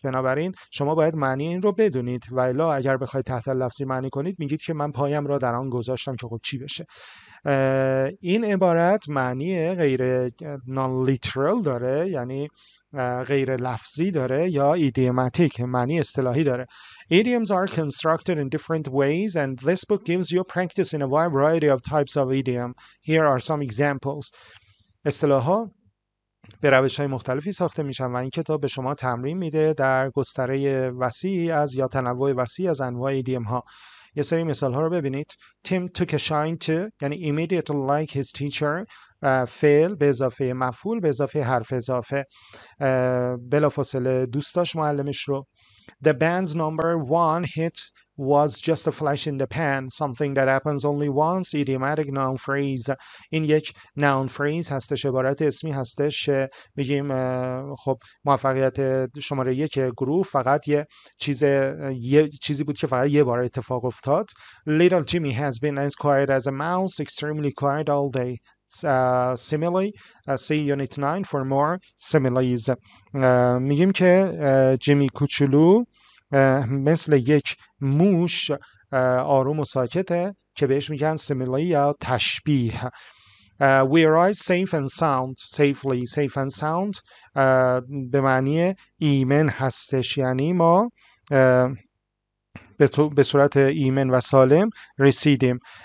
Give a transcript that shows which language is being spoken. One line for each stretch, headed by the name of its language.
Persian: بنابراین شما باید معنی این رو بدونید، و الا اگر بخواید تحت لفظی معنی کنید میگید که من پایم را در آن گذاشتم. داشتم که خب چی بشه. این عبارت معنی غیر نان لیترال داره، یعنی غیر لفظی داره، یا ایدیوماتیک معنی اصطلاحی داره.
English: Idioms are constructed in different ways and this book gives you practice in a wide variety of types of idiom. Here are some examples.
Persian: اصطلاحا به روش‌های مختلفی ساخته میشن و این کتاب به شما تمرین میده در گستره وسیعی از یا تنوع وسیعی از انواع ایدیوم ها. یه سری مثال ها رو ببینید.
English: Tim took a shine to
Persian: یعنی
English: immediately like his teacher.
Persian: فعل به اضافه مفعول به اضافه حرف اضافه. بلافاصله دوست داشت معلمش رو.
English: The band's number one hit was just a flash in the pan, something that happens only once, idiomatic noun phrase.
Persian: این یک noun phrase هستش، عبارت اسمی هستش. میگیم خب موفقیت شماره یک گروه فقط یه چیزی بود که فقط یه بار اتفاق افتاد.
English: Little Jimmy has been as quiet as a mouse, extremely quiet all day. Simile, see unit 9 for more similes.
Persian: میگیم که جیمی کوچولو مثل یک موش آروم و ساکته، که بهش میگن سیمیلی یا تشبیه.
English: We arrived safe and sound, safely, safe and sound.
Persian: به معنی ایمن هستش، یعنی ما به صورت ایمن و سالم رسیدیم.